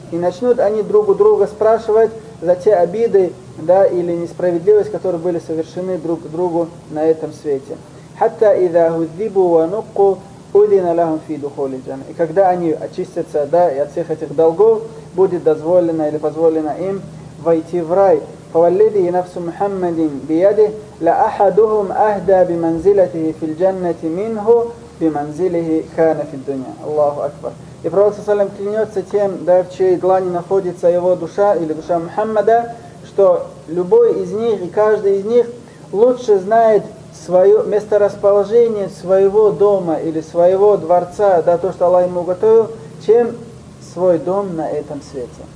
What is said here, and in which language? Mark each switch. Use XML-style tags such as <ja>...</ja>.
<ru>И начнут они друг у друга спрашивать за те обиды, да, или несправедливость, которые были совершены друг к другу на этом свете.</ru> <ar>«Хатта иза гуздибу ва нукку удина лахум фидухули джан».</ar> <ru>И когда они очистятся, да, и от всех этих долгов, будет дозволено или позволено им войти в рай.</ru> <ar>فوالذي نفس محمد بيده لأحدهم أهدى بمنزلته في الجنة منه بمنزله كان في الدنيا. الله أكبر.</ar> <ru>И пророк саллям клянется тем, да, в чьей длани находится его душа или душа Мухаммада, что любой из них и каждый из них лучше знает свое месторасположение своего дома или своего дворца, да, то, что Аллах ему уготовил, чем свой дом на этом свете.</ru>